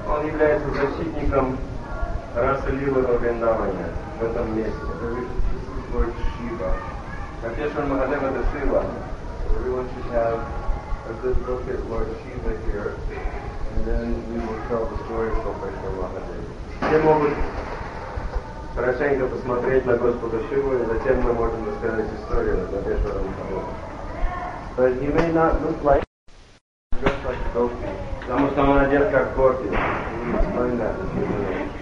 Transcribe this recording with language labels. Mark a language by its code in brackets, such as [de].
[ru] Он является защитником Раса Лилы во Вриндаване в этом месте. [en] This is Lord Shiva. [ru] Рапешвар Махадева – это Шива. [en] Everyone should have a good look at Lord Shiva here, and then we will tell the story of Рапешвар Махадева. [ru] Все могут хорошенько посмотреть на Господа Шиву, и затем мы можем рассказать историю о Рапешваром Махадеве. [en] But he may not look like dressed like a gopi. [ru] Потому что он одет как гопи. [en] Explain that.